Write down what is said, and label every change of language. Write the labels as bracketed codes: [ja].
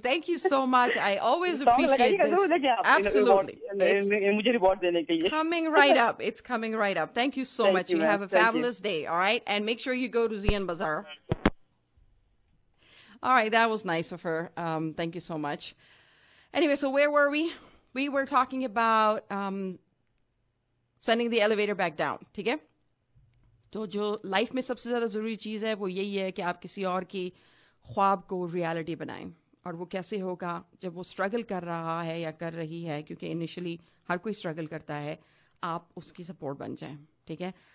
[en] thank you so much I always appreciate this [hi] absolutely मुझे reward देने के लिए [en] Coming right up it's coming right up thank you so much you have a fabulous day alright and make sure you go to Zion बाजार All right, that was nice of her. Thank you so much. Anyway, so where were we? We were talking about sending the elevator back down. [hi] ठीक है? तो जो life में सबसे ज़्यादा ज़रूरी चीज़ है, वो यही है कि आप किसी और की ख्वाब को reality बनाएं. और वो कैसे होगा? जब वो struggle कर रहा है या कर रही है, क्योंकि initially हर कोई struggle करता है, आप उसकी support बन जाएं. ठीक है?